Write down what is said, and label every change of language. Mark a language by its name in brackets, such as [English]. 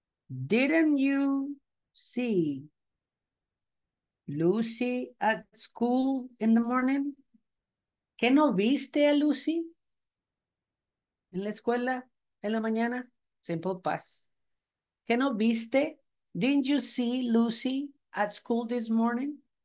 [English] Didn't you see Lucy at school in the morning? [Spanish] ¿Que no viste a Lucy en la escuela en la mañana? Simple past. ¿Que no viste? [English] Didn't you see Lucy at school this morning?